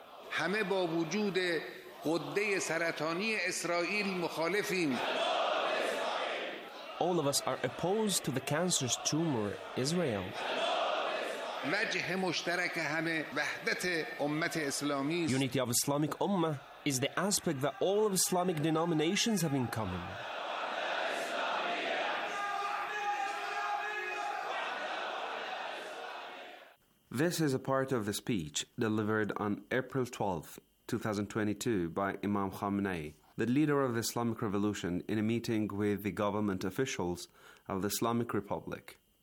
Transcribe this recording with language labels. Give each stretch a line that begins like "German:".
Persian: همه با وجود قده سرطانی اسرائیل مخالفیم
English: All of us are opposed to the cancerous tumor Israel
Persian: وجه مشترک همه وحدت امت اسلامی
English: Unity of Islamic Ummah is the aspect that all of Islamic denominations have in common. This is a part of the speech delivered on April 12, 2022 by Imam Khamenei, the leader of the Islamic Revolution, in a meeting with the government officials of the Islamic Republic.